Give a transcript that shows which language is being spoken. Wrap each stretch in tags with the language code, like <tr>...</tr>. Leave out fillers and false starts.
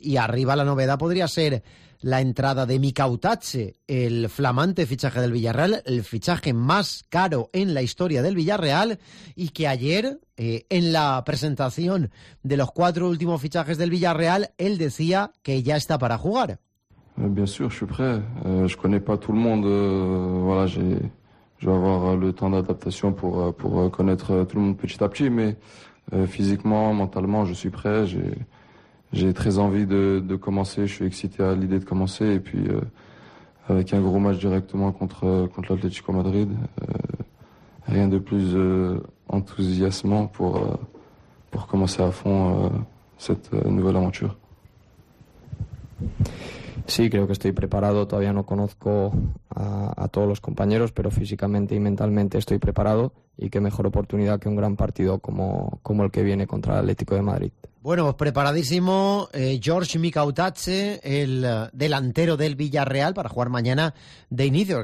<es>Y arriba la novedad podría ser la entrada de Micautache, el flamante fichaje del Villarreal, el fichaje más caro en la historia del Villarreal, y que ayer, en la presentación de los cuatro últimos fichajes del Villarreal, él decía que ya está para jugar.</es> <fr>Bien sûr, je suis prêt. Je connais pas tout le monde. Voilà, je vais avoir le temps d'adaptation pour connaître tout le monde petit à petit, mais physiquement, mentalement, je suis prêt. J'ai très envie de commencer, je suis excité à l'idée de commencer, et puis avec un gros match directement contre l'Atlético Madrid, rien de plus enthousiasmant pour commencer à fond cette nouvelle aventure.</fr> <es>Sí, creo que estoy preparado, todavía no conozco a todos los compañeros, pero físicamente y mentalmente estoy preparado, y qué mejor oportunidad que un gran partido como el que viene contra el Atlético de Madrid. Bueno, pues preparadísimo George Micautache, el delantero del Villarreal, para jugar mañana de inicio.</es>